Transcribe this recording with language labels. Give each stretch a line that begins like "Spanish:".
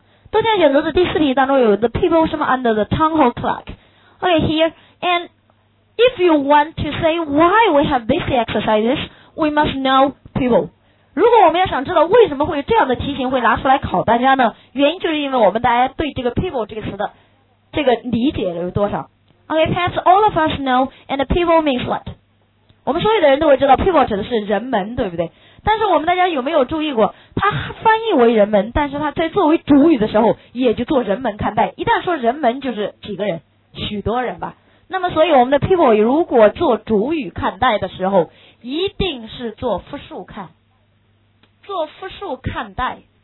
Chinese: 多项选择的第四题当中有
English: the people
Chinese: 什么
English: under the town hall clock， OK here andIf you want to say why we have these exercises, we must know people.
Chinese: 如果我们要想知道为什么会有这样的题型会拿出来考大家呢？原因就是因为我们大家对这个 people 这个词的这个理解有多少。
English: Okay, perhaps all of us know, and people means what?
Chinese: 我们所有的人都会知道 people 指的是人们，对不对？但是我们大家有没有注意过，它翻译为人们，但是它在作为主语的时候也就做人们看待。一旦说人们就是几个人，许多人吧。那么所以我们的 people 如果做主语看待的时候一定是做复数看，做复数看待。